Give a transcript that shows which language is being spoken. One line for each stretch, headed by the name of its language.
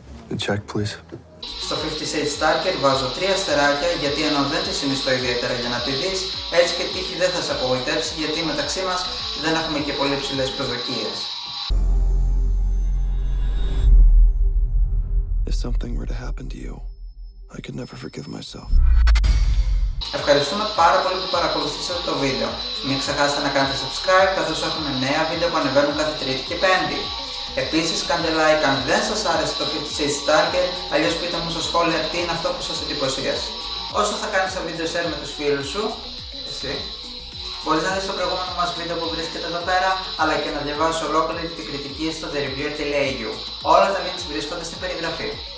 English: The check, please.
Greek: Στο 50 Shades Darker βάζω 3 αστεράκια, γιατί ενώ δεν τη συνιστώ ιδιαίτερα για να τη δεις, έτσι και τύχη δεν θα σε απογοητεύσει, γιατί μεταξύ μας δεν έχουμε και πολύ ψηλές προσδοκίες.
English: If something were to happen to you, I could never forgive myself.
Greek: Ευχαριστούμε πάρα πολύ που παρακολουθήσατε το βίντεο. Μην ξεχάσετε να κάνετε subscribe, καθώς έχουμε νέα βίντεο που ανεβαίνουν κάθε Τρίτη και Πέμπτη. Επίσης, κάντε like αν δεν σας άρεσε το 50 Shades Darker, αλλιώς πείτε μου στα σχόλια τι είναι αυτό που σας εντυπωσίασε. Όσο θα κάνεις το βίντεο share με τους φίλους σου, εσύ, μπορείς να δεις το προηγούμενο μας βίντεο που βρίσκεται εδώ πέρα, αλλά και να διαβάσεις ολόκληρη την κριτική στο thereviewer.eu. Όλα τα links βρίσκονται στην περιγραφή.